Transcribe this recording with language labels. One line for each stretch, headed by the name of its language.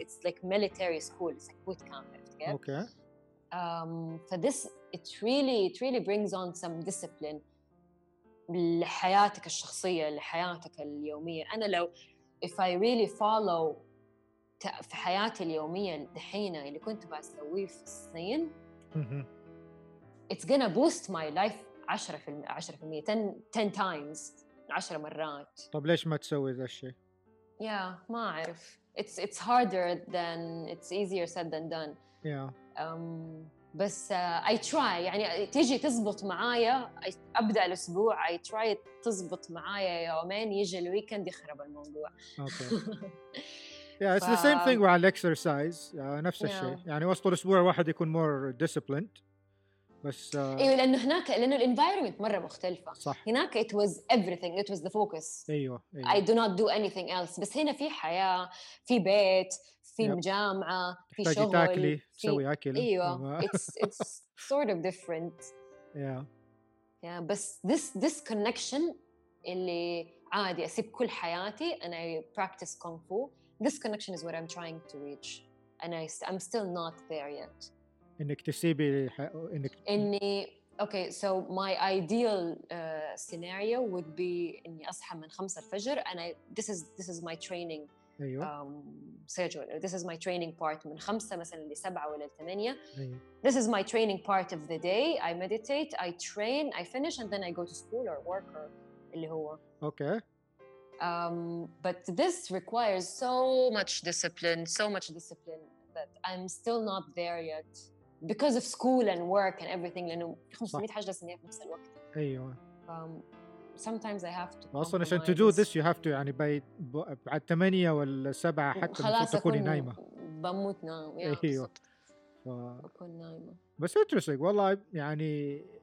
English: it's like military school it's like boot camp okay. فthis it really brings on some discipline
Arabic: لحياتك الشخصية لحياتك اليومية أنا لو
English: if I really follow
Arabic: في حياتي اليومية دحينة اللي كنت بسويه في الصين
English: it's gonna boost my life 10% 10 times 10 مرات
Arabic: طب ليش ما تسوي ذا الشيء؟
English: yeah
Arabic: ما أعرف
English: it's harder than it's easier said than done yeah
Arabic: بس I try يعني تيجي تزبط معايا أبدأ الأسبوع I try تزبط معايا يومين يجي الويكند يخرب الموضوع
English: okay. yeah it's the same thing with exercise نفس yeah.
Arabic: الشيء يعني وسط الأسبوع واحد يكون
English: more disciplined
Arabic: بس أيوة لأنه هناك لأنه environment مرة مختلفة صح.
English: هناك it was everything it was the focus
Arabic: أيوة.
English: I do not do anything else
Arabic: بس هنا في حياة في بيت في
English: yep.
Arabic: جامعة في شغل تأكلي تسوي أكل
English: أيوة it's sort of different yeah yeah بس this connection اللي
Arabic: عادي أسيب كل حياتي
English: and I practice kung fu. This connection is what I'm trying to reach. And I'm still not there yet.
Arabic: إنك تسيبي إنك. إني okay.
English: So my ideal scenario would be
Arabic: إني أصحى من
English: 5 PM and this is my training.
Arabic: أيوة.
English: Schedule. This is my training part
Arabic: من 5 مثلا ل 7 ولا 8.
English: This is my training part of the day. I meditate, I train, I finish, and then I go to school or work or
Arabic: اللي هو.
English: Okay. But this requires so much discipline, so much discipline that I'm still not there yet because of school and work and everything.
Arabic: لأنه 500 حاجة لازم يعمل في نفس الوقت. أيوة.
English: Sometimes I have to.
Arabic: أصلاً عشان
English: to do this you have to
Arabic: يعني بعد 8 ولا 7 حتى تكوني نايمة. بموت نام. أيوة. أكون نايمة. بس interesting والله يعني.